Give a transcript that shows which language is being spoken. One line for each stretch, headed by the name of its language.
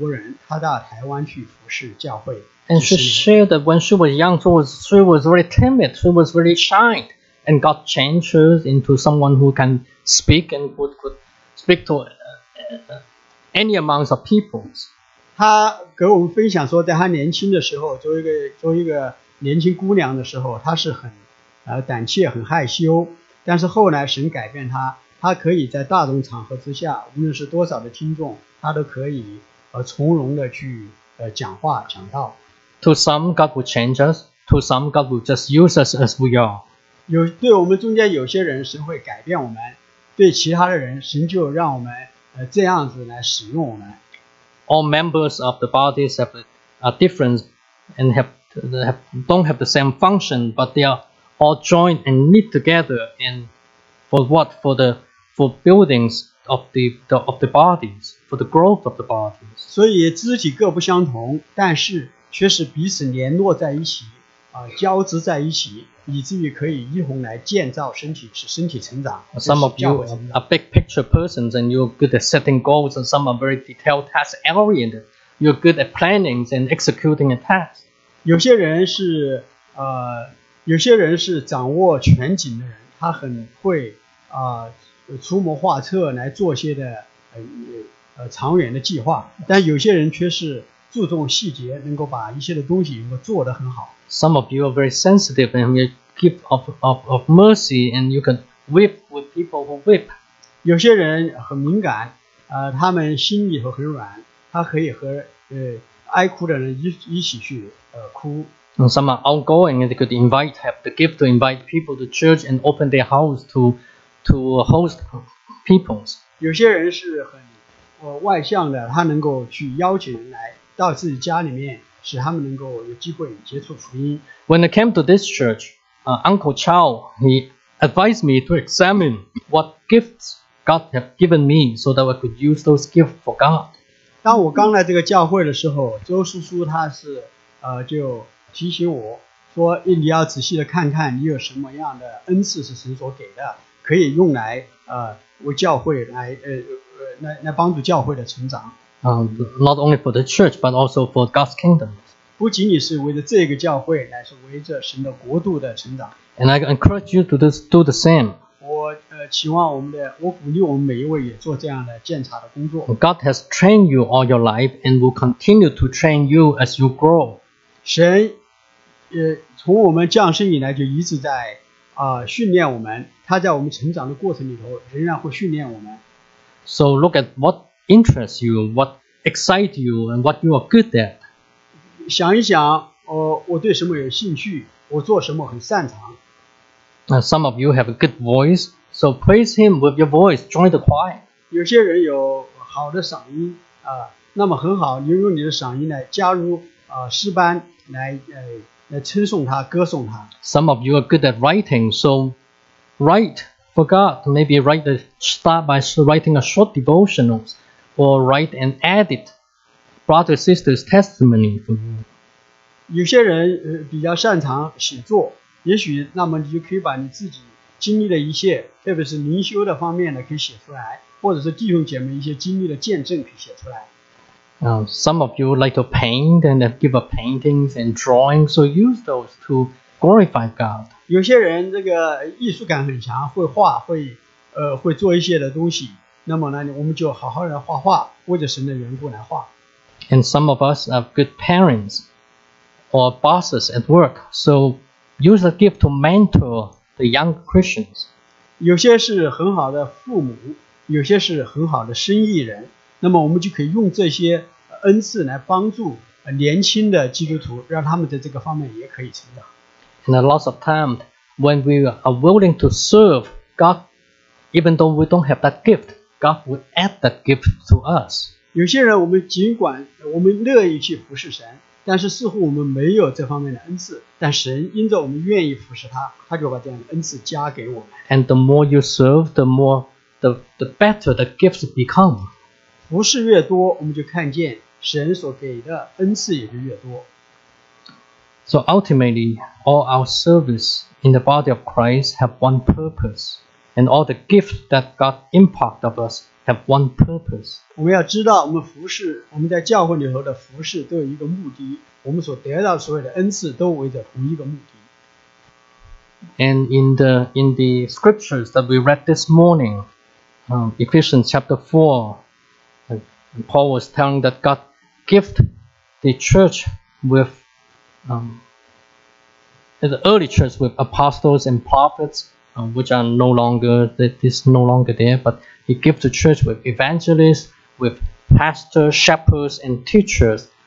Chinese: 我们中间年轻一些的也许不认识她，但是年长一些的都知道，她是一个德国裔的美国人，她到台湾去服侍教会。
English: And she shared that when she was young, she was very timid, she was very shy. And God changed her into someone who can speak and could speak to any amounts of people.
Chinese: 他给我们分享说，在他年轻的时候，作为一个年轻姑娘的时候，他是很胆怯、很害羞。但是后来神改变他，他可以在大众场合之下，无论是多少的听众，他都可以从容的去讲话讲道。
English: To some, God will change us. To some, God will just use us as we are.
Chinese: 对我们中间有些人神会改变我们，对其他的人神就让我们这样子来使用我们。
English: All members of the bodies are different and don't have the same function, but they are all joined and knit together. And for what? For buildings of the bodies, for the growth of the bodies.
Chinese: 所以肢体各不相同, 但是却是彼此联络在一起, 交织在一起, 以至于可以一同来建造身体, 使身体成长,
English: some of you are big picture persons and you're good at setting goals and some are very detailed task oriented. You're good at planning and executing a task.
Chinese: 有些人是, 有些人是掌握全景的人, 他很会, 出谋划策来做些的, 长远的计划, 但有些人却是注重细节, 能够把一些的东西能够做得很好。
English: Some of you are very sensitive and you give of mercy and you can weep with people who weep.
Chinese: 有些人很敏感, 他们心里头很软, 他可以和, 哀哭的人一起去, 哭。
English: And some are outgoing and they could invite, have the gift to invite people to church and open their house to host peoples.
Chinese: 有些人是很, 外向的, 他能够去邀请人来到自己家里面, 使他们能够有机会接触福音。
English: When I came to this church, Uncle Chow, he advised me to examine what gifts God had given me so that I could use those gifts for God.
Chinese: 当我刚来这个教会的时候, 周叔叔他是, 就提醒我说你要仔细的看看你有什么样的恩赐是神所给的, 可以用来, 为教会来, 来帮助教会的成长。
English: Not only for the church, but also for God's kingdom.
Chinese: 不仅仅是为着这个教会, 乃是为着神的国度的成长。
English: And I encourage you to do the same.
Chinese: 我, 期望我们的, 我鼓励我们每一位也做这样的鉴察的工作。
English: God has trained you all your life and will continue to train you as you grow.
Chinese: 神, 从我们降生以来就一直在, 训练我们, 他在我们成长的过程里头仍然会训练我们。
English: So look at what interests you, what excites you, and what you are good at.
Chinese: 想一想, 我对什么有兴趣, 我做什么很擅长。
English: Some of you have a good voice, so praise him with your voice, join the choir.
Chinese: 有些人有好的嗓音, 那么很好, 你用你的嗓音来加入, 诗班, 来, 来称颂他, 歌颂他。
English: Some of you are good at writing, so write for God. Maybe write the, start by writing a short devotional, or write and edit brother or sister's testimony for you.
Chinese: 有些人, 比较擅长写作, 也许那么你就可以把你自己经历的一些, 特别是灵修的方面的, 可以写出来, 或者是弟兄姐妹一些经历的见证可以写出来。
English: Some of you like to paint and give up paintings and drawings, so use those to glorify God.
Chinese: 有些人这个艺术感很强, 会画, 会, 会做一些的东西, 那么呢, 我们就好好的画画, 为着神的缘故来画。
English: And some of us are good parents or bosses at work, so use the gift to mentor the young Christians.
Chinese: 有些是很好的父母, 有些是很好的生意人, 那么我们就可以用这些, 恩赐来帮助, 年轻的基督徒, 让他们在这个方面也可以成长。
English: And a lot of times, when we are willing to serve God, even though we don't have that gift, God will add that gift to us.
Chinese: 有些人, 我们尽管, 我们乐意去服侍神, 但是似乎我们没有这方面的恩赐, 但神因着我们愿意服侍他, 他就把这样的恩赐加给我们。
English: And the more you serve, the more, the better the gifts become.
Chinese: 服侍越多, 我们就看见, 神所给的恩赐也就越多。
English: So ultimately, all our service in the body of Christ have one purpose, and all the gifts that God imparted of us have one purpose.
Chinese: 我们要知道我们服侍, 我们在教会里头的服侍, 都有一个目的, 我们所得到所有的恩赐都为着同一个目的。
English: And in the scriptures that we read this morning, Ephesians chapter 4, Paul was telling that God gift the church with the early church with apostles and prophets, which are no longer, that is no longer there, but he gives the church with evangelists, with pastors, shepherds, and teachers.